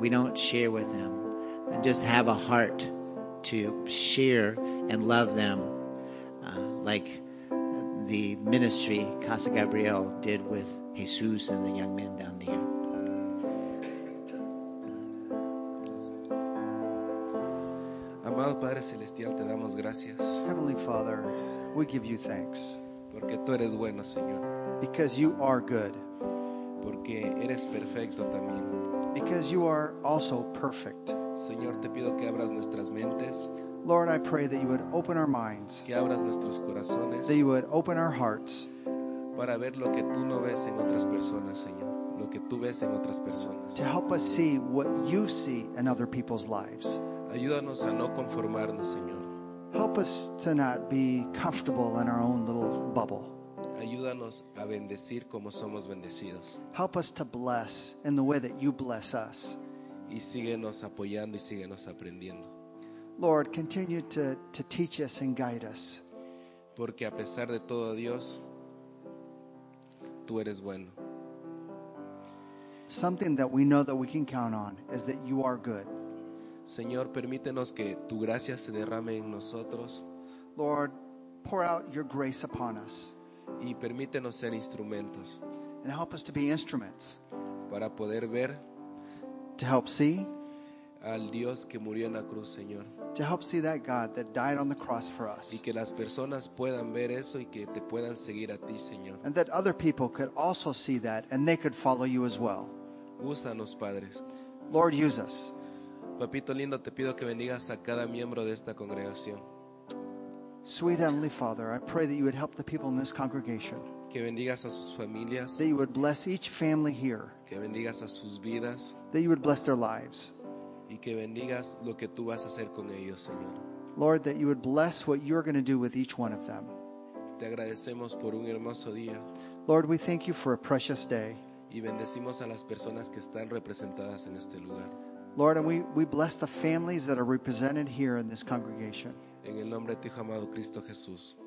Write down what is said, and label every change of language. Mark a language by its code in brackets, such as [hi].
[en] We don't share with them. And just have a heart to share and love them, like the ministry Casa Gabriel did with Jesus and the young men down there. [es] Amado Padre Celestial, te damos gracias. [en] Heavenly Father, we give you thanks. [es] Porque tú eres bueno, Señor. [en] Because you are good. [es] Porque eres perfecto también. [en] Because you are also perfect. [es] Señor, te pido que abras nuestras mentes. [en] Lord, I pray that you would open our minds. [es] Que abras nuestros corazones. [en] That you would open our hearts. [es] Para ver lo que tú no ves en otras personas, Señor. Lo que tú ves en otras personas. [en] To help us see what you see in other people's lives. [es] Ayúdanos a no conformarnos, Señor. [en] Help us to not be comfortable in our own little bubble. [es] Ayúdanos a bendecir como somos bendecidos. [en] Help us to bless in the way that you bless us. [es] Y síguenos apoyando y síguenos aprendiendo. [en] Lord, continue to teach us and guide us. [es] Porque a pesar de todo, Dios, tú eres bueno. [en] Something that we know that we can count on is that you are good. [es] Señor, permítenos que tu gracia se derrame en nosotros. [en] Lord, pour out your grace upon us. [es] Y permítenos ser instrumentos. [en] And help us to be instruments. [es] Para poder ver. [en] To help see. [es] Al Dios que murió en la cruz, Señor. [en] To help see that God that died on the cross for us. [es] Y que las personas puedan ver eso y que te puedan seguir a ti, Señor. [en] And that other people could also see that and they could follow you as well. [es] Úsanos, Padre. [en] Lord, use us. [es] Papito lindo, te pido que bendigas a cada miembro de esta congregación. [en] Sweet Heavenly Father, I pray that you would help the people in this congregation. [es] Que bendigas a sus familias. [en] That you would bless each family here. [es] Que bendigas a sus vidas. [en] That you would bless their lives. [es] Y que bendigas lo que tú vas a hacer con ellos, Señor. [en] Lord, that you would bless what you're going to do with each one of them. [es] Te agradecemos por un hermoso día. [en] Lord, we thank you for a precious day. [es] Y bendecimos a las personas que están representadas en este lugar. [en] Lord, and we bless the families that are represented here in this congregation. [es] En el nombre de tu amado Cristo Jesús.